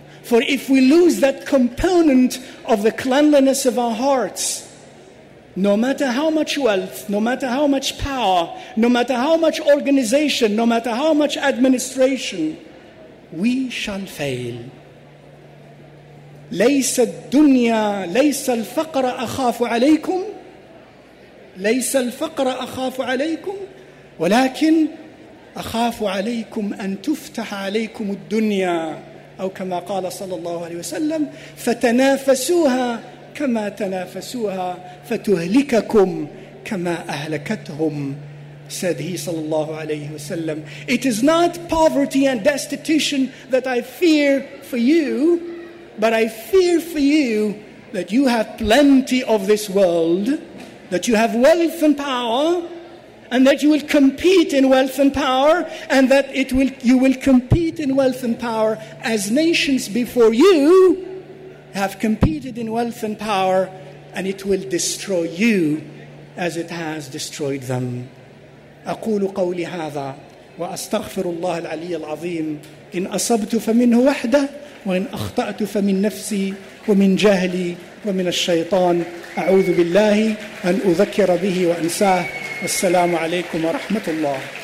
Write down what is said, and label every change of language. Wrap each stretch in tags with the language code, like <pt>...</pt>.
<en>For if we lose that component of the cleanliness of our hearts, no matter how much wealth, no matter how much power, no matter how much organization, no matter how much administration, we shall fail.</en> <ar>لَيْسَ الدُّنْيَا لَيْسَ الْفَقْرَ أَخَافُ عَلَيْكُمْ لَيْسَ الْفَقْرَ أَخَافُ عَلَيْكُمْ وَلَكِنْ أَخَافُ عَلَيْكُمْ أَنْ تُفْتَحَ عَلَيْكُمُ الدُّنْيَا أو كما قال صلى الله عليه وسلم فَتَنَافَسُوهَا كما تنافسوها فتهلككم كما أهلكتهم,</ar> <en>said he</en> <ar>sallallahu alayhi wa sallam.</ar> <en>It is not poverty and destitution that I fear for you, but I fear for you that you have plenty of this world, that you have wealth and power, and that you will compete in wealth and power, and that you will compete in wealth and power as nations before you have competed in wealth and power, and it will destroy you as it has destroyed them.</en> <ar>أقول قولي هذا وأستغفر الله العلي العظيم إن أصبت فمنه وحده وإن أخطأت فمن نفسي ومن جهلي ومن الشيطان أعوذ بالله أن أذكر به وأنساه السلام عليكم ورحمة الله.</ar>